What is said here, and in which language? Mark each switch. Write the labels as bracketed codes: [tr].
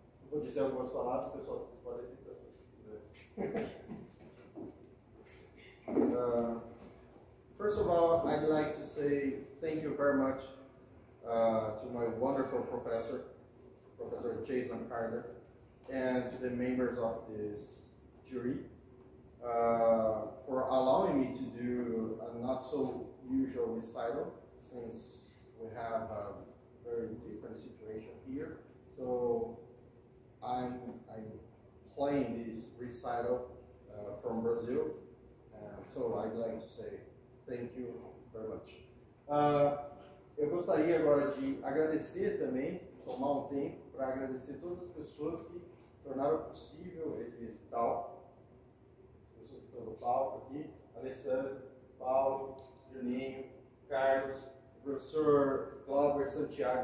[pt] Vou dizer algumas palavras, pessoal, vocês podem citar se vocês quiserem. [en] First of all, I'd like to say thank you very much to my wonderful professor, Professor Jason Carter, and to the members of this jury for allowing me to do a not so usual recital, since we have a very different situation here. So I'm playing this recital from Brazil. So I'd like to say thank you very much. [pt] Eu gostaria agora de agradecer também, tomar um tempo para agradecer todas as pessoas que tornaram possível esse recital. As pessoas que estão no palco aqui: Alessandro, Paulo, Juninho, Carlos, professor Glauber Santiago.